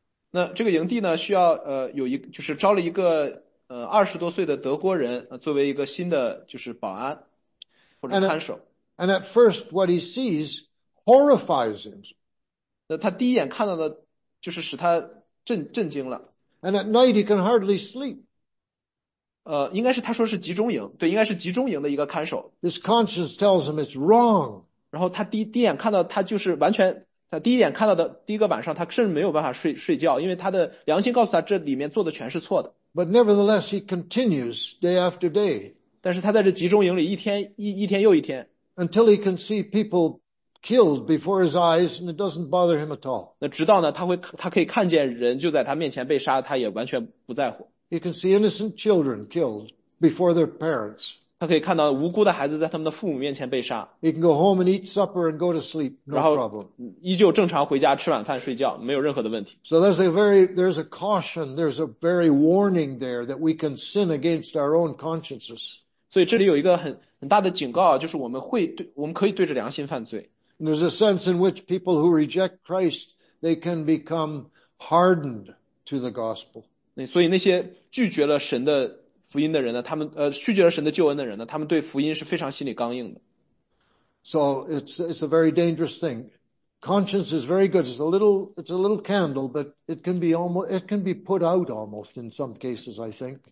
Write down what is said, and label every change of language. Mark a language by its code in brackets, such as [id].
[zh] 那这个营地呢，需要有一就是招了一个20多岁的德国人作为一个新的就是保安或者看守。 [en] And at first, what he sees horrifies him. [zh] 那他第一眼看到的就是使他震惊了。 [en] And at night, he can hardly sleep. [zh] 应该是他说是集中营，对，应该是集中营的一个看守。 [en] His conscience tells him it's wrong. [zh] 然后他第一眼看到他就是完全。他第一眼看到的第一个晚上，他甚至没有办法睡觉，因为他的良心告诉他这里面做的全是错的。 [en] But nevertheless, he continues day after day [zh] 但是他在这集中营里一天又一天， [en] until he can see people killed before his eyes, and it doesn't bother him at all. [zh] 那直到呢，他可以看见人就在他面前被杀，他也完全不在乎。 [en] He can see innocent children killed before their parents. [zh] 他可以看到无辜的孩子在他们的父母面前被杀。 [en] He can go home and eat supper and go to sleep, no problem. [zh] 依旧正常回家吃晚饭睡觉，没有任何的问题。 [en] So there's a caution, there's a very warning there that we can sin against our own consciences. [zh] 所以这里有一个很大的警告，就是我们可以对着良心犯罪。 [en] There's a sense in which people who reject Christ, they can become hardened to the gospel. [zh] 所以那些拒绝了神的福音的人呢，他们拒绝了神的救恩的人呢，他们对福音是非常心理刚硬的。 [en] So it's a very dangerous thing. Conscience is very good. It's a little candle, but it can be put out almost in some cases, I think.